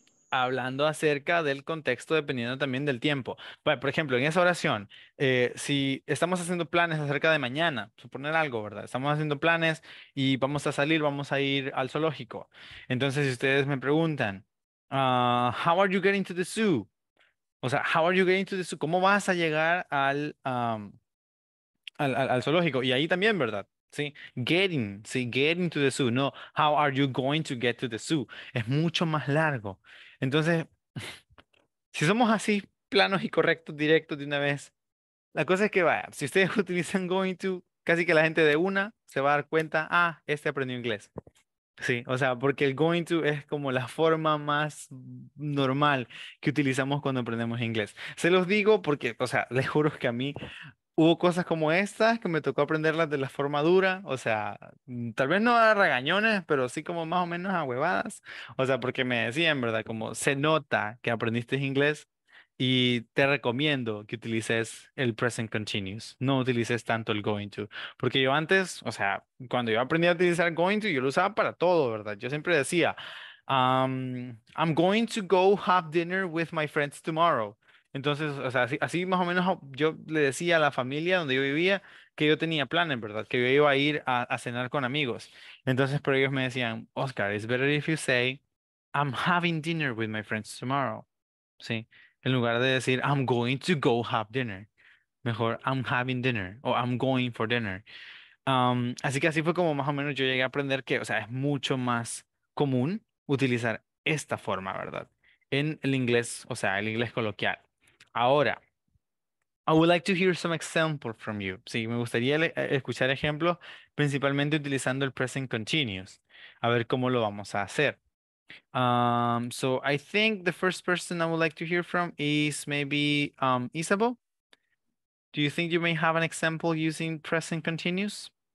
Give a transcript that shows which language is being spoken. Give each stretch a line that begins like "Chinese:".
Spanish: Hablando acerca del contexto, dependiendo también del tiempo. Bueno, por ejemplo, en esa oración, si estamos haciendo planes acerca de mañana, suponer algo, ¿verdad? Estamos haciendo planes y vamos a salir, vamos a ir al zoológico. Entonces, si ustedes me preguntan,
English: how are you getting to the zoo?
Spanish: O sea,
English: how are you getting to the zoo?
Spanish: ¿Cómo vas a llegar al zoológico? Y ahí también, ¿verdad?
English: Sí, getting, sí, getting to the zoo. No, how are you going to get to the zoo?
Spanish: Es mucho más largo. Entonces, si somos así, planos y correctos, directos de una vez, la cosa es que vaya, si ustedes utilizan going to, casi que la gente de una se va a dar cuenta, este aprendió inglés. Sí, o sea, porque el going to es como la forma más normal que utilizamos cuando aprendemos inglés. Se los digo porque, o sea, les juro que a mí hubo cosas como estas que me tocó aprenderlas de la forma dura, o sea, tal vez no a regañones, pero sí como más o menos a huevadas. O sea, porque me decían, ¿verdad? Como se nota que aprendiste inglés y te recomiendo que utilices el present continuous, no utilices tanto el going to. Porque yo antes, o sea, cuando yo aprendí a utilizar going to, yo lo usaba para todo, ¿verdad?
English: Yo siempre decía, I'm going to go have dinner with my friends tomorrow.
Spanish: Entonces, o sea, así más o menos yo le decía a la familia donde yo vivía que yo tenía planes, ¿verdad? Que yo iba a ir a cenar con amigos. Entonces, pero ellos me decían, Oscar,
English: it's better if you say, I'm having dinner with my friends tomorrow.
Spanish: ¿Sí? En lugar de decir,
English: I'm going to go have dinner.
Spanish: Mejor,
English: I'm having dinner o I'm going for dinner.
Spanish: Así que así fue como más o menos yo llegué a aprender que, o sea, es mucho más común utilizar esta forma, ¿verdad? En el inglés, o sea, el inglés coloquial. Ahora,
English: I would like to hear some examples from you.
Spanish: Sí, me gustaría escuchar ejemplos, principalmente utilizando el present continuous. A ver cómo lo vamos a hacer.
English: So I think the first person I would like to hear from is maybe Isabel. Do you think you may have an example using present continuous?